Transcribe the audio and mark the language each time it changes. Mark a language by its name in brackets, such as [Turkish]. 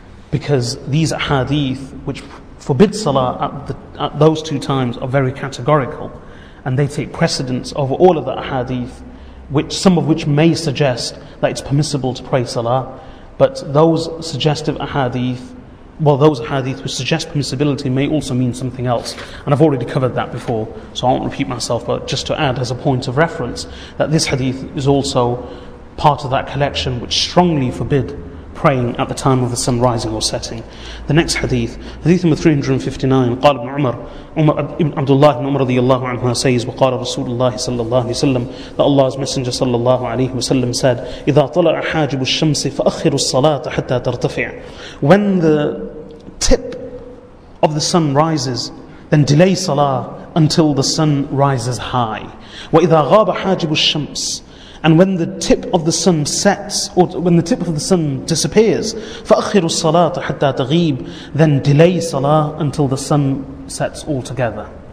[English] Because these ahadith which forbid salah at those two times are very categorical, and they take precedence over all of the ahadith, which some of which may suggest that it's permissible to pray salah, but those suggestive ahadith, well, those ahadith which suggest permissibility may also mean something else. And I've already covered that before, so I won't repeat myself, but just to add as a point of reference that this hadith is also part of that collection which strongly forbid praying at the time of the sun rising or setting. The next hadith, hadith number 359, [Arabic] قال ابن عمر, عمر ابن عبد الله بن عمر رضي الله عنه says, وقال رسول الله صلى الله عليه وسلم, [English] that Allah's Messenger [Arabic] صلى الله عليه وسلم said, إذا طلع حاجب الشمس فأخر الصلاة حتى ترتفع. [English] When the tip of the sun rises, then delay salah until the sun rises high. [Arabic] وإذا غاب حاجب الشمس, [English] and when the tip of the sun sets, or when the tip of the sun disappears, [Arabic] فَأَخِّرُ الصَّلَاةَ حَتَّى تَغِيبُ, [English] then delay salah until the sun sets altogether.